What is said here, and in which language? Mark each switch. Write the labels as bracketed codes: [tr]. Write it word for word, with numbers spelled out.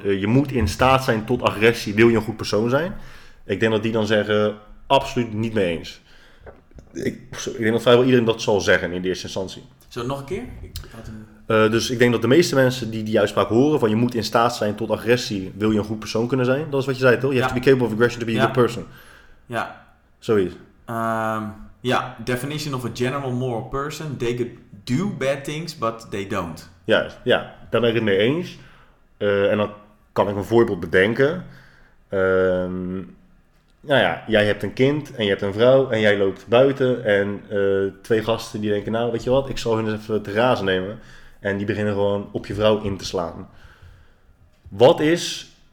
[nl] Uh, je moet in staat zijn tot agressie, wil je een goed persoon zijn? Ik denk dat die dan zeggen, absoluut niet mee eens. Ik, ik denk dat vrijwel iedereen dat zal zeggen in de eerste instantie. Zo, nog een keer? Ik had een... Uh, dus ik denk dat de meeste mensen die die uitspraak horen van... je moet in staat zijn tot agressie, wil je een goed persoon kunnen zijn? Dat is wat je zei, toch? [en] You [nl] ja. [en] have to be capable of aggression to be ja. a good person. [nl] Ja. Zoiets. [en] Ja, um, yeah. Definition of a general moral person. They could do bad things, but they don't. [nl] Juist, ja. Daar ben ik het mee eens. Uh, en dan kan ik een voorbeeld bedenken. Um, nou ja, jij hebt een kind en je hebt een vrouw en jij loopt buiten. En uh, twee gasten die denken, nou weet je wat, ik zal hun eens even te razen nemen. En die beginnen gewoon op je vrouw in te slaan. Wat is...